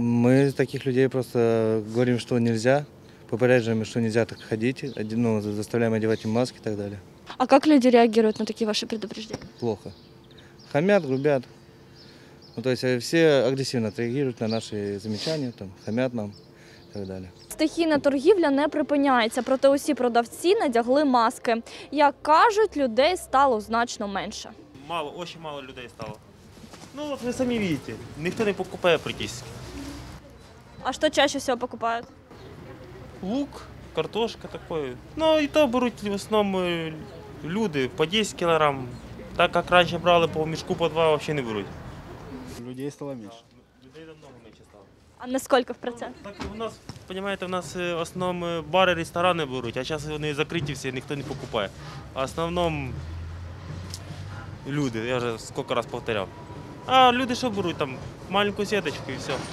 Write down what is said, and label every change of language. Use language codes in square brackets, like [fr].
[ru] Мы таких людей просто говорим, что нельзя, попоряжаем, что нельзя так ходить, ну, заставляем одевать им маски и так далее. А как люди реагируют на такие ваши предупреждения? Плохо. Хамят, грубят. Ну, то есть все агрессивно реагируют на наши замечания, там, хамят нам и так далее. [uk] Стихійна торгівля не припиняється, проте усі продавці надягли маски. Як кажуть, людей стало значно менше. Мало, дуже мало людей стало. Ну, от ви самі бачите, ніхто не покупає практично. А що чаще всього покупають? Лук, картошка такою. Ну, і то беруть в основному люди по 10 кілограм. Так, як раніше брали по мішку, по два, взагалі не беруть. [ru] Людей стало меньше. Людей намного меньше стало. А на сколько в процент? Так, у нас, понимаете, у нас в основном бары, рестораны берут, а сейчас они закрыты все, никто не покупает. В основном люди, я уже сколько раз повторял. А люди что берут? Там маленькую сеточку и все.